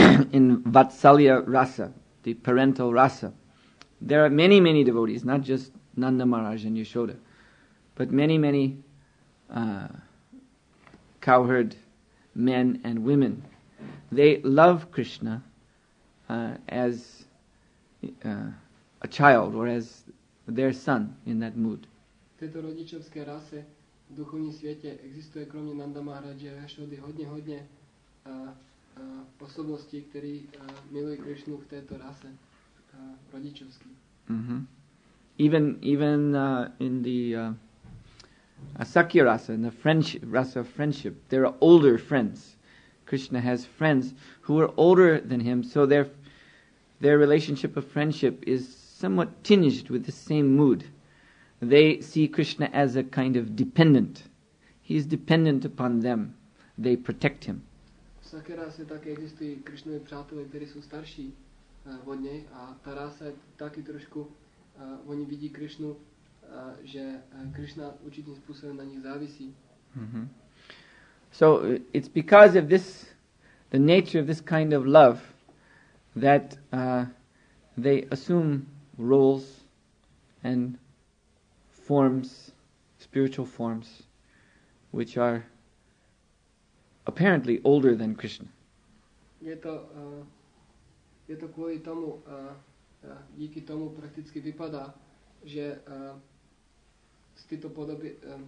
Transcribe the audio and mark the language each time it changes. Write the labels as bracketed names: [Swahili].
[English] In Vatsalya Rasa, the parental rasa, there are many, many devotees, not just Nanda Maharaj and Yashoda, but many, many cowherd men and women. They love Krishna as a child or as their son in that mood. [Czech] V tejto rodičovské rase v duchovní světě existuje kromě Nanda Maharaja a Yashody hodně osobností, které milují Krishnu v této rase rodičovské. Mm-hmm. [English] Even in the Asakya rasa, in the French rasa of friendship, there are older friends. Krishna has friends who are older than him, so their relationship of friendship is somewhat tinged with the same mood. They see Krishna as a kind of dependent. He is dependent upon them. They protect him. [Czech] Asakya rasa také existují Krishnovi přátelé, kteří jsou starší od něj, a ta rasa taky trošku, oni vidí Krishnu, že Krishna určitým způsobem na nich závisí. [English] So it's because of this, the nature of this kind of love, that they assume roles and forms, spiritual forms, which are apparently older than Krishna. [Czech] Je to kvůli tomu, díky tomu prakticky vypadá, že z tyto podoby...